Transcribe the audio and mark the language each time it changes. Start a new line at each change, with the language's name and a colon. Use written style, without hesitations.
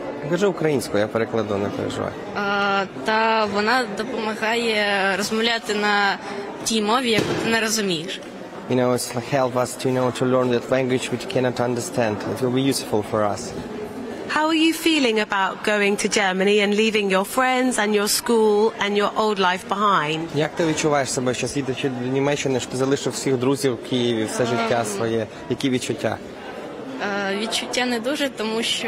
Ukrainian: Кажу українською, я перекладу, не переживай. Та вона допомагає розмовляти на тій мові, яку ти не розумієш.
English: You know, it's help us to, you know, to learn that language which cannot understand. It will be useful for us. How are you feeling about going to Germany and leaving your friends and your school and your old life behind?
Ukrainian: Як ти відчуваєш себе, що їдучи до Німеччини, що ти залишив всіх друзів в Києві, все життя своє? Які відчуття? Відчуття не дуже, тому що...